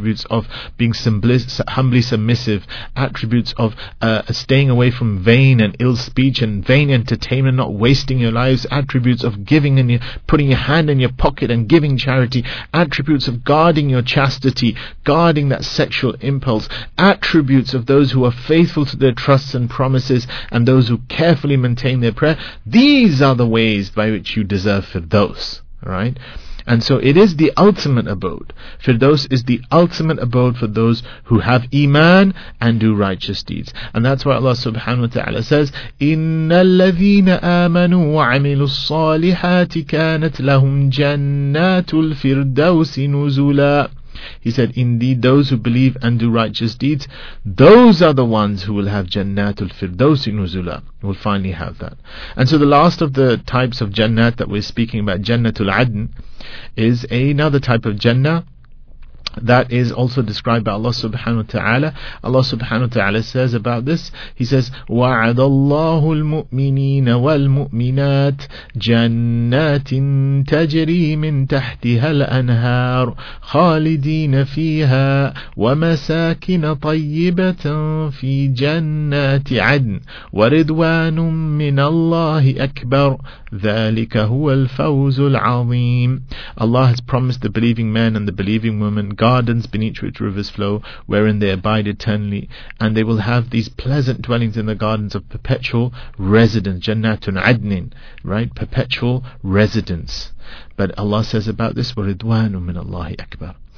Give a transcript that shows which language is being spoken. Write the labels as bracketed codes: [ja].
[en] of being humbly submissive, attributes of staying away from vain and ill speech and vain entertainment, not wasting your lives, attributes of giving and putting your hand in your pocket and giving charity, attributes of guarding your chastity, guarding that sexual impulse, attributes of those who are faithful to their trusts and promises, and those who carefully maintain their prayer. These are the ways by which you deserve Firdaus, right? And so it is the ultimate abode. Firdaus is the ultimate abode for those who have iman and do righteous deeds. And that's why Allah subhanahu wa ta'ala says, [ar] إِنَّ الَّذِينَ آمَنُوا وَعَمِلُوا الصَّالِحَاتِ كَانَتْ لَهُمْ جَنَّاتُ الْفِرْدَوْسِ نُزُولًا. [en] He said, indeed, those who believe and do righteous deeds, those are the ones who will have Jannatul Firdaus Nuzula, will finally have that. And so the last of the types of Jannat that we're speaking about, Jannatul Adn, is another type of Jannah that is also described by Allah subhanahu wa ta'ala. Allah subhanahu wa ta'ala says about this, He says, [ar] وَعَدَ اللَّهُ الْمُؤْمِنِينَ وَالْمُؤْمِنَاتِ جَنَّاتٍ تَجْرِي مِن تَحْتِهَا الْأَنْهَارُ خَالِدِينَ فِيهَا وَمَسَاكِنَ طَيِّبَةً فِي جَنَّاتِ عَدْنٍ وَرِضْوَانٌ مِّنَ اللَّهِ أَكْبَرُ ذَلِكَ هُوَ الْفَوْزُ الْعَظِيمُ. [en] Allah has promised the believing man and the believing woman gardens beneath which rivers flow, wherein they abide eternally, and they will have these pleasant dwellings in the gardens of perpetual residence, Jannatun Adnin, right? Perpetual residence. But Allah says about this, [ar] وَرِضْوَانٌ مِّنَ اللَّهِ أَكْبَرُ.